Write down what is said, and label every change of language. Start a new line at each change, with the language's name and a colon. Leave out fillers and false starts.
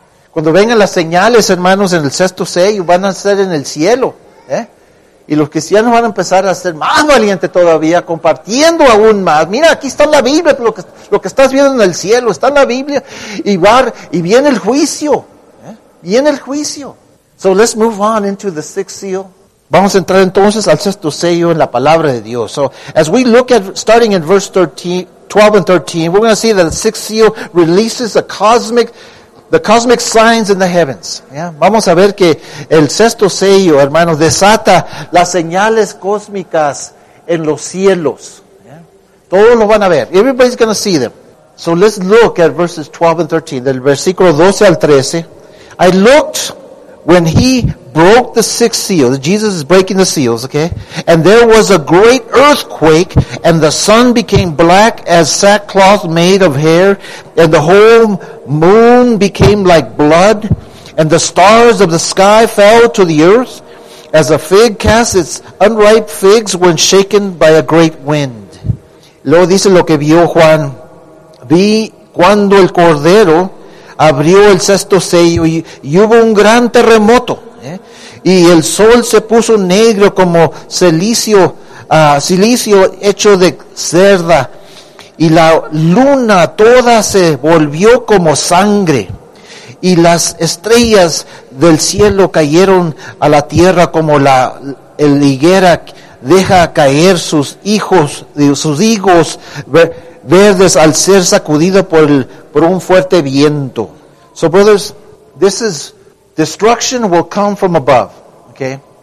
Spanish: Cuando vengan las señales, hermanos, en el sexto sello, van a ser en el cielo. Y los cristianos van a empezar a ser más valientes todavía, compartiendo aún más. Mira, aquí está la Biblia, lo que estás viendo en el cielo, está en la Biblia. Y viene el juicio. Viene el juicio.
English: So let's move on into the sixth seal.
Spanish: Vamos a entrar entonces al sexto sello en la palabra de Dios.
English: So as we look at, starting in verse 12 and 13, we're going to see that the sixth seal releases the cosmic signs in the heavens. Yeah?
Spanish: Vamos a ver que el sexto sello, hermanos, desata las señales cósmicas en los cielos. Todos los van a ver.
English: Everybody's going to see them. So let's look at verses 12 and 13.
Spanish: Del versículo 12 al 13.
English: I looked when he broke the sixth seal. Jesus is breaking the seals, okay? And there was a great earthquake, and the sun became black as sackcloth made of hair, and the whole moon became like blood, and the stars of the sky fell to the earth, as a fig casts its unripe figs when shaken by a great wind.
Spanish: Luego dice lo que vio Juan. Vi cuando el Cordero abrió el sexto sello y hubo un gran terremoto. Y el sol se puso negro como silicio hecho de cerda. Y la luna toda se volvió como sangre. Y las estrellas del cielo cayeron a la tierra como la higuera deja caer sus higos verdes al ser sacudido por un fuerte viento.
English: So brothers, this is destruction will come from above. Okay?